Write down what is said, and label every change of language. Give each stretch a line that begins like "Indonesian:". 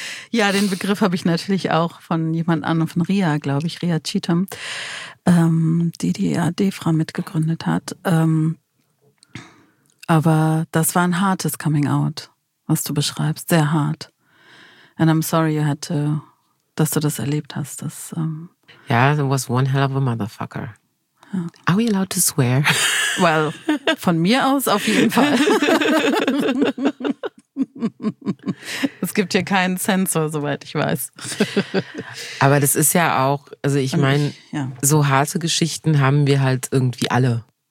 German: Ja, den Begriff habe ich natürlich auch von jemand anderem, von Ria, glaube ich, Ria Cheatham, die AD-Frau mitgegründet hat. Aber das war ein hartes Coming Out, was du beschreibst, sehr hart.
English: And I'm sorry, you had to,
German: dass du das erlebt hast. Dass,
English: yeah, there was one hell of a motherfucker. Ja. Are we allowed to swear?
German: Well, von mir aus auf jeden Fall. Es gibt hier keinen Sensor, soweit ich weiß. Aber das ist ja auch, also ich meine, ja, so harte Geschichten haben wir halt irgendwie alle.